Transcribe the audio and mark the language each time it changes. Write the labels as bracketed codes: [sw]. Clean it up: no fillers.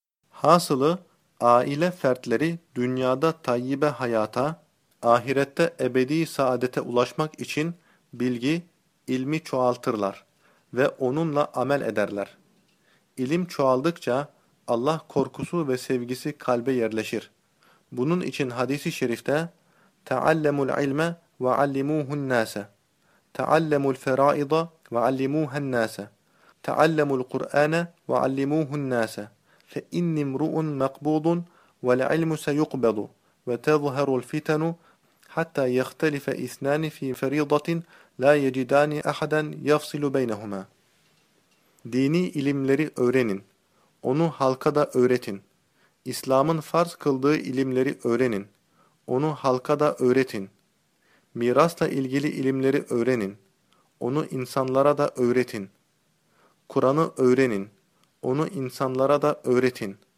[tr] Hasılı, aile fertleri dünyada tayyibe hayata, ahirette ebedi saadete ulaşmak için bilgi, ilmi çoğaltırlar ve onunla amel ederler. İlim çoğaldıkça Allah korkusu ve sevgisi kalbe yerleşir. Bunun için hadis-i şerifte [ar] تَعَلَّمُ الْعِلْمَ وَعَلِّمُوهُ النَّاسَ تَعَلَّمُ الْفَرَائِضَ وَعَلِّمُوهَ النَّاسَ تَعَلَّمُ الْقُرْآنَ وَعَلِّمُوهُ النَّاسَ فَإِنِّ امْرُؤٌ مَقْبُوضٌ وَالْعِلْمُ سَيُقْبَضُ وَتَظْهَرُ الْفِتَنُ حَتَّى يَخْتَلِفَ اِثْنَانِ فِي فَرِيضَةٍ لَا يَجِدَانِ اَحَدًا يَفْصِلُ بَيْنَهُمَا. [tr] Dini ilimleri öğrenin. Onu halka da öğretin. İslam'ın farz kıldığı ilimleri öğrenin. Onu halka da öğretin. Mirasla ilgili ilimleri öğrenin. Onu insanlara da öğretin. Kur'an'ı öğrenin. Onu insanlara da öğretin.